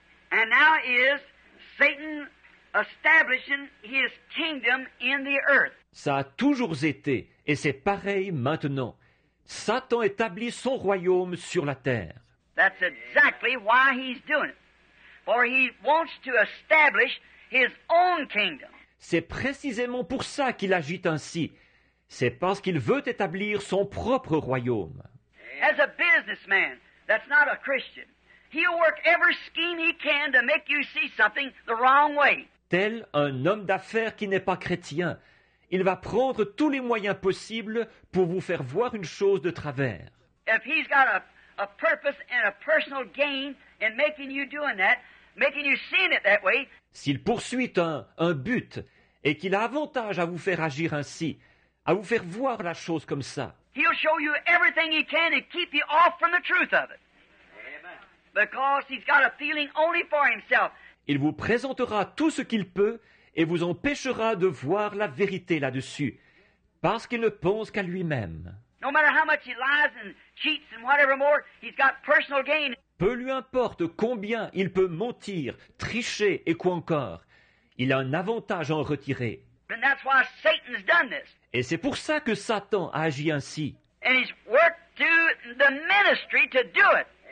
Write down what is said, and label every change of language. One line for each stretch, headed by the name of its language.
English: And now is Satan establishing his kingdom in the earth.
French: Ça a toujours été, et c'est pareil maintenant. Satan établit son royaume sur la terre.
English: That's exactly why he's doing it. For he wants to establish his own kingdom.
French: C'est précisément pour ça qu'il agit ainsi. C'est parce qu'il veut établir son propre royaume.
English: As a businessman, that's not a Christian. He'll work every scheme he can to make you see something the wrong way.
French: Tel un homme d'affaires qui n'est pas chrétien, Il va prendre tous les moyens possibles pour vous faire voir une chose de travers.
English: If he's got a purpose and a personal gain in making you doing that, making you seeing it that way.
French: S'il poursuit un but et qu'il a avantage à vous faire agir ainsi, à vous faire voir la chose comme ça.
English: He'll show you everything he can and keep you off from the truth of it. Because he's got a feeling only for himself.
French: Il vous présentera tout ce qu'il peut et vous empêchera de voir la vérité là-dessus, parce qu'il ne pense qu'à lui-même.
English: No matter how much he lies and cheats and whatever more, he's got personal gain.
French: Peu lui importe combien il peut mentir, tricher et quoi encore, il a un avantage à en retirer.
English: And that's why Satan's done this.
French: Et c'est pour ça que Satan a agi ainsi.
English: And he's worked through the ministry to do it.